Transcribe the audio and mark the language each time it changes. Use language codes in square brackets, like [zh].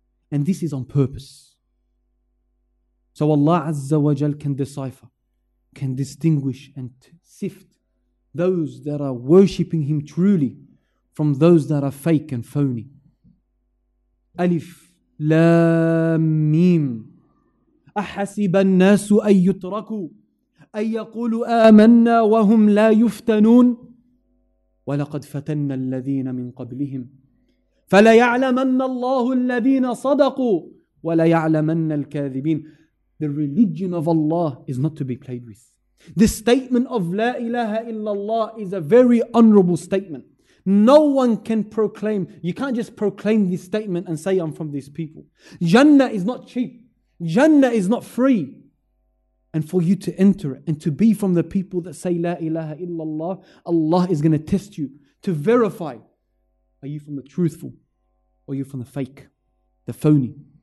[en] And this is on purpose. So Allah Azza wa Jal can decipher, can distinguish and sift those that are worshipping Him truly from those that are fake and phony. [ar] Alif, Lam, Mim. أحسب الناس أن يتركوا أن يقولوا آمنا وهم لا يفتنون ولقد فتنا الذين من قبلهم فليعلمن الله الذين صدقوا وليعلمن الكاذبين. [en] The religion of Allah is not to be played with. The statement of La ilaha illallah is a very honorable statement. No one can proclaim. You can't just proclaim this statement and say I'm from these people. Jannah is not cheap. Jannah is not free. And for you to enter it and to be from the people that say La ilaha illallah, Allah is going to test you to verify. Are you from the truthful? Or are you from the fake? The phony?